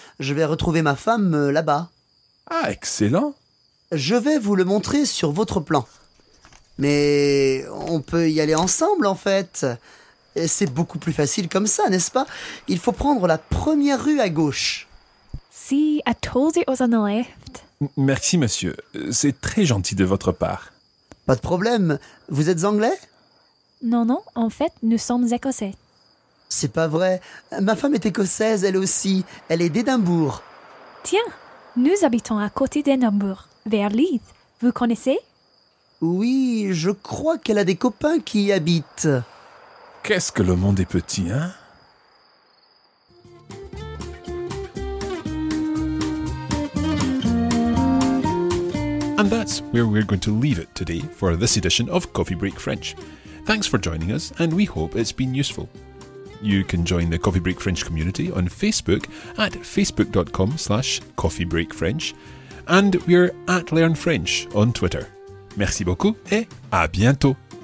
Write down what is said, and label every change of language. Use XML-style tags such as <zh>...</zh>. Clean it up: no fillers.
<fr>Je vais retrouver ma femme là-bas. Ah, excellent! Je vais vous le montrer sur votre plan. Mais on peut y aller ensemble, en fait. C'est beaucoup plus facile comme ça, n'est-ce pas? Il faut prendre la première rue à gauche.</fr> <en>See, I told you it was on the left.</en> <fr>Merci, monsieur. C'est très gentil de votre part. Pas de problème. Vous êtes anglais? Non, en fait, nous sommes écossais. C'est pas vrai. Ma femme est écossaise, elle aussi. Elle est d'Édimbourg. Tiens, nous habitons à côté d'Édimbourg, vers Leith. Vous connaissez? Oui, je crois qu'elle a des copains qui y habitent. Qu'est-ce que le monde est petit, hein?</fr> <en>And that's where we're going to leave it today for this edition of Coffee Break French. Thanks for joining us, and we hope it's been useful. You can join the Coffee Break French community on Facebook at facebook.com/coffeebreakfrench, and we're at Learn French on Twitter.</en> <fr>Merci beaucoup et à bientôt!</fr>